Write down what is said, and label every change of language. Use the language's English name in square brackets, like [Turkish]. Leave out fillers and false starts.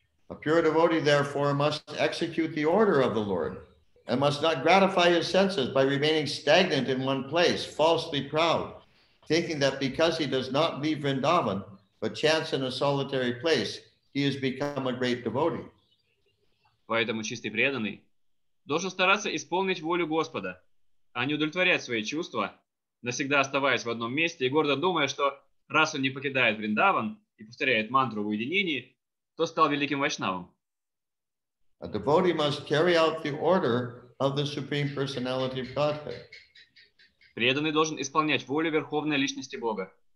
[English] A pure devotee, therefore, must execute the order of the Lord and must not gratify his senses by remaining stagnant in one place, falsely proud, thinking that because he does not leave Vrindavan, but chants in a solitary place, he has become a great devotee. [Russian] Поэтому чистый преданный должен стараться исполнить волю Господа, а не удовлетворять свои чувства, навсегда оставаясь в одном месте и гордо думая, что раз он не покидает Вриндаван и повторяет мантру в уединении, то стал великим вайшнавом. [English] A devotee must carry out the order of the Supreme Personality of Godhead. [Russian] Преданный должен исполнять волю Верховной Личности Бога.